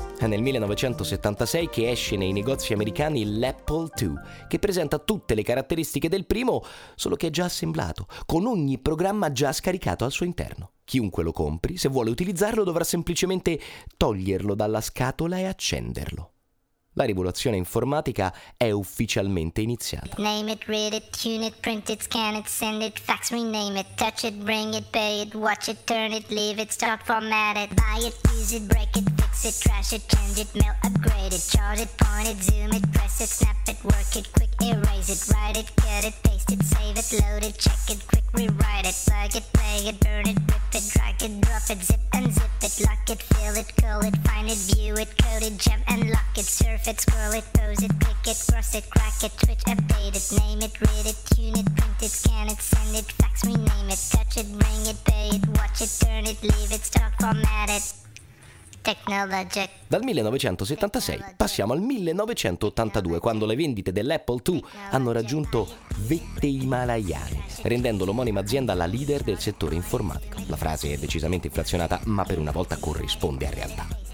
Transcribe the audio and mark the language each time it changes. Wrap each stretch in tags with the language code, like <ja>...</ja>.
<it>È nel 1976 che esce nei negozi americani l'Apple II, che presenta tutte le caratteristiche del primo, solo che è già assemblato, con ogni programma già scaricato al suo interno. Chiunque lo compri, se vuole utilizzarlo, dovrà semplicemente toglierlo dalla scatola e accenderlo. La rivoluzione informatica è ufficialmente iniziata.</it> <en>Name it, read it, tune it, print it, scan it, send it, fax, rename it, touch it, bring it, pay it, watch it, turn it, leave it, stop, format it, buy it, use it, break it, fix it, trash it, change it, mail, upgrade it, chart it, point it, zoom it, press it, snap it, work it, quick, erase it, write it, cut it, paste it, save it, load it, check it, quick, rewrite it, plug it, play it, burn it, rip it, drag it, drop it, zip and zip it, lock it, fill it, curl it, find it, view it, code it, jump and lock it, surf it, scroll it, pose it, click it, cross it, crack it, switch, update it, name it, read it, tune it, print it, scan it, send it, fax, rename it, touch it, ring it, pay it, watch it, turn it, leave it, stop, format it. Technologic.</en> <it>Dal 1976 passiamo al 1982, quando le vendite dell'Apple II hanno raggiunto vette himalayane, rendendo l'omonima azienda la leader del settore informatico. La frase è decisamente inflazionata, ma per una volta corrisponde a realtà.</it>